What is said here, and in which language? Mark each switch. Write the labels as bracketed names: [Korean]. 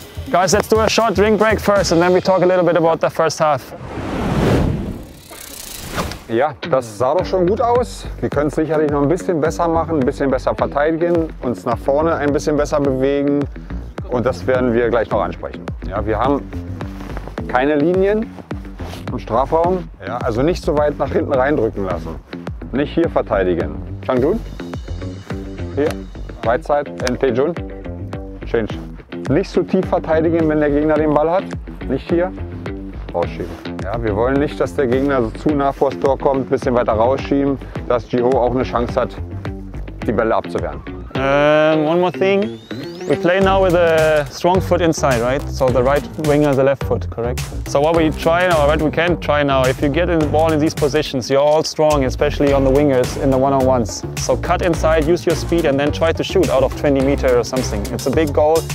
[English] Guys, let's do a short drink break first, and then we talk a little bit about the first half. [German] Ja, das sah doch schon gut aus. Wir können es sicherlich noch ein bisschen besser machen, ein bisschen besser verteidigen, uns nach vorne ein bisschen besser bewegen. Und das werden wir gleich noch ansprechen. Ja, wir haben keine Linien im Strafraum. Ja, also nicht so weit nach hinten reindrücken lassen. Nicht hier verteidigen. Changjun? Hier. Weitzeit. Ntjun? Change. Nicht so tief verteidigen, wenn der Gegner den Ball hat. Nicht hier. Rausschieben. Ja, wir wollen nicht, dass der Gegner so zu nah vor das Tor kommt, ein bisschen weiter rausschieben, dass Gio auch eine Chance hat, die Bälle abzuwehren. [English] One more thing. We play now with a strong foot inside, right? So the right winger, the left foot, correct? So what we try now, right? We can try now. If you get in the ball in these positions, you're all strong, especially on the wingers in the one-on-ones. So cut inside, use your speed, and then try to shoot out of 20 meters or something. It's a big goal.